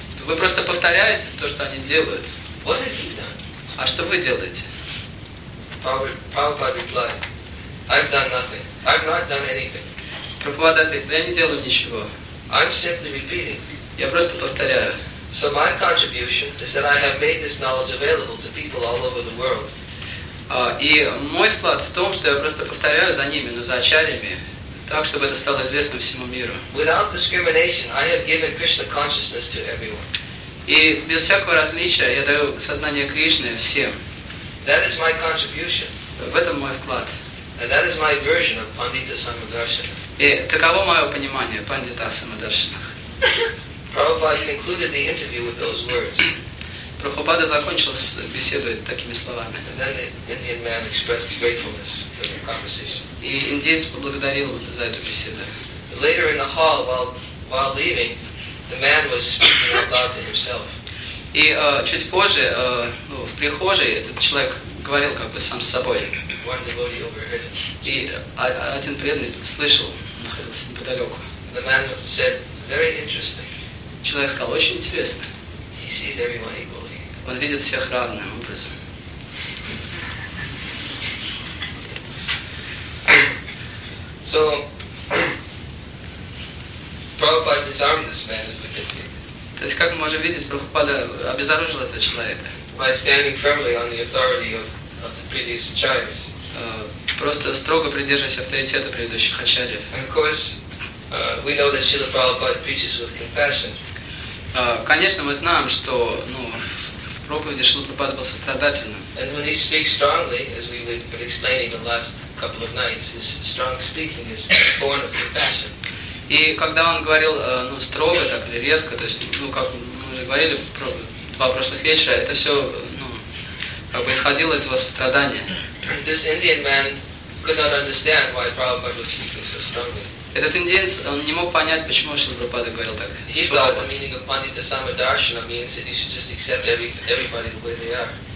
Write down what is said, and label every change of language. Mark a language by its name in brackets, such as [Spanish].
[Russian] Вы просто повторяете то, что они делают. [English] What have you done? [Russian] А что вы делаете? [English] Prabhupada replied. I've done nothing. I've not done anything. [Russian] Прабхупада ответил, я не делаю ничего. [English] I'm simply repeating. [Russian] Я просто повторяю. [English] So my contribution is that I have made this knowledge available to people all over the world. [Russian] И мой вклад в том, что я просто повторяю за ними, но за ачарьями, так, чтобы это стало известно всему миру. [English] Without discrimination, I have given Krishna consciousness to everyone. [Russian] И без всякого различия я даю сознание Кришны всем. [English] That is my contribution. [Russian] В этом мой вклад. [English] And that is my version of Pandita Samadarshana. [Russian] И таково мое понимание Пандита Самадарщина. [English] Prabhupada concluded the interview with those words. [Russian] Прабхупада закончил беседу такими словами. [English] And then the Indian man expressed gratefulness for the conversation. [Russian] И индиец поблагодарил за эту беседу. [English] Later in the hall, while leaving, the man was speaking out loud to himself. [Russian] И чуть позже, в прихожей, этот человек говорил как бы сам с собой. [English] One devotee overheard him. [Russian] И один преданный слышал, находился неподалеку. [English] The man said, very interesting. [Russian] Человек сказал, очень интересно. [English] He sees everyone equally. [Russian] Он видит всех равным образом. [English] So, Prabhupada disarmed this man, as we can see. [Russian] То есть, как мы можем видеть, Прабхупада обезоружил этого человека. [English] By standing firmly on the authority of the previous acharyas. [Russian] Просто строго придерживаясь авторитета предыдущих ачарьев. [English] And of course, we know that Srila Prabhupada preaches with compassion. [Russian] Конечно, мы знаем, что в проповеди Шрила Прабхупада был сострадательным. [English] And when he speaks strongly, as we were explaining the last couple of nights, his strong speaking is born of compassion. [Russian] И когда он говорил строго так или резко, то есть, как мы уже говорили два прошлых вечера, это все как бы исходило из его сострадания. [English] This Indian man could not understand why Prabhupada was speaking so strongly. [Russian] Этот индиец, он не мог понять, почему Шрила Прабхупада говорил так. [English] He thought the meaning of Pandita Samadarshana means that you should just accept everybody the way they are.